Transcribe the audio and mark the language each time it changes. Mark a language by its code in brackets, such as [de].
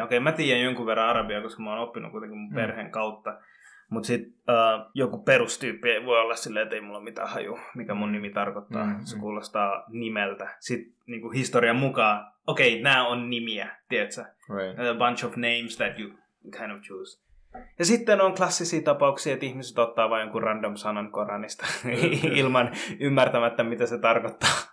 [fi] Okei, mä tiedän jonkun verran arabiaa, koska mä oon oppinut kuitenkin mun perheen kautta. Mut sit joku perustyyppi ei voi olla silleen, että ei mulla mitään haju, mikä mun nimi tarkoittaa. Mm-hmm. Se kuulostaa nimeltä. Sit niinku historian mukaan, okei, nää on nimiä, tiedätkö? [en] Right. A bunch of names that you kind of choose. [fi] Ja sitten on klassisia tapauksia, että ihmiset ottaa vain jonkun random sanan Koranista ilman ymmärtämättä, mitä se tarkoittaa.